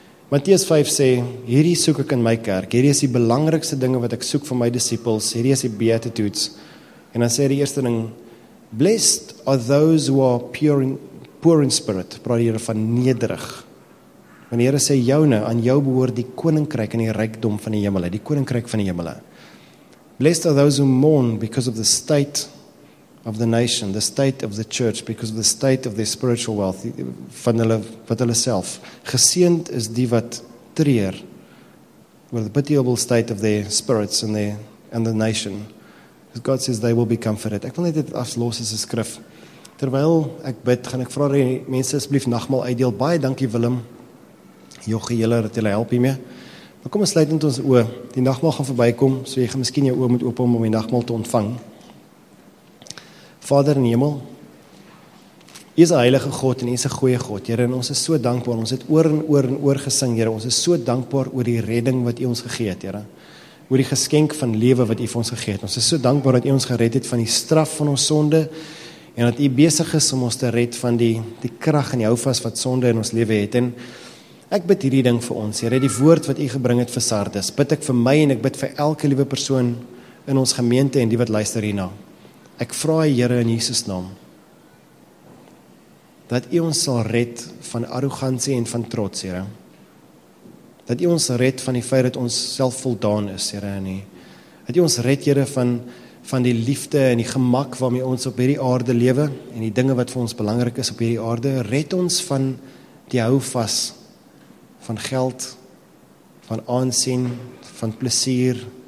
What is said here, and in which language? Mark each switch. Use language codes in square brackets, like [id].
[af] Matteus 5 sê, hierdie soek ek in my kerk, hierdie is die belangrikste dinge wat ek soek vir my disciples, hierdie is die beatitudes. En dan sê die eerste ding, [en] blessed are those who are pure in, poor in spirit, [af] praat hier van nederig. Want die Here sê, joune, aan jou behoort die koninkryk en die rykdom van die hemel, die koninkryk van die hemel. [en] Blessed are those who mourn because of the state of the nation, the state of the church, because of the state of their spiritual wealth, [af] van hulle, wat hulle self. Geseend is die wat treur, oor [en] the pitiable state of their spirits and their and the nation. Because God says they will be comforted. [af] Ek wil net dit aflos as 'n skrif. Terwyl ek bid, gaan ek vra die mense asseblief nagmaal uitdeel. Baie dankie Willem, Jochie, julle, dat julle help hiermee. Maar kom ons sluit net ons oë. Die nagmaal gaan verbykom, so jy gaan miskien jou oë moet oop om die nagmaal te ontvang. Vader in hemel, jy is een heilige God en jy is een goeie God. Heere, en ons is so dankbaar, ons het oor en oor en oor gesing, Heere, ons is so dankbaar oor die redding wat jy ons gegee het, Heere. Oor die geskenk van lewe wat jy vir ons gegee het. Ons is so dankbaar dat jy ons gered het van die straf van ons sonde en dat jy besig is om ons te red van die krag en die houvas wat sonde in ons lewe het. En ek bid hierdie ding vir ons, Heere, die woord wat jy gebring het vir Sardis, bid ek vir my en ek bid vir elke liewe persoon in ons gemeente en die wat luister hierna. Ek vra jy, Heere, in Jesus naam, dat jy ons sal red van arrogantie en van trots, Heere. Dat jy ons red van die feit dat ons self voldaan is, Heere, en nie. Dat jy ons red, Heere, van die liefde en die gemak waarmee ons op hierdie aarde lewe en die dinge wat vir ons belangrik is op hierdie aarde. Red ons van die houvas van geld, van aansien, van plesier.